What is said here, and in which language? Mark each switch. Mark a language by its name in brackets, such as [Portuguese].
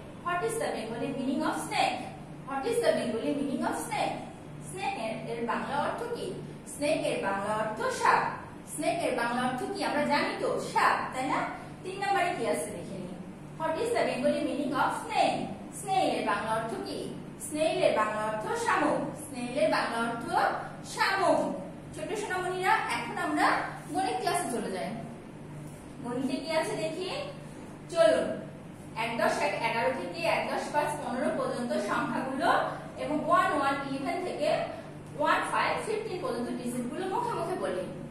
[English] What is the Bengali meaning of snake? What is the Bengali meaning of snake? [Bangla] Snake এর বাংলা অর্থ কি? Snake এর বাংলা অর্থ সাপ. Snake এর বাংলা অর্থ কি আমরা জানি তো? সাপ, তাই না? তিন নম্বরে কি আছে দেখে নিই. [English] What is the Bengali meaning of snake? [Bangla] Snake এর বাংলা অর্থ কি? স্নেইল এর বাংলা অর্থ শামুক. স্নেইল এর বাংলা অর্থ শামুক. ছোট সোনামণিরা এখন আমরা গণিত ক্লাসে চলে যাই. গণিতে কি আছে দেখি? চলো 1-11 থেকে 1-15 পর্যন্ত সংখ্যাগুলো এবং 1-11 থেকে 1-15 পর্যন্ত ডিজিট গুলো মুখে মুখে বলি.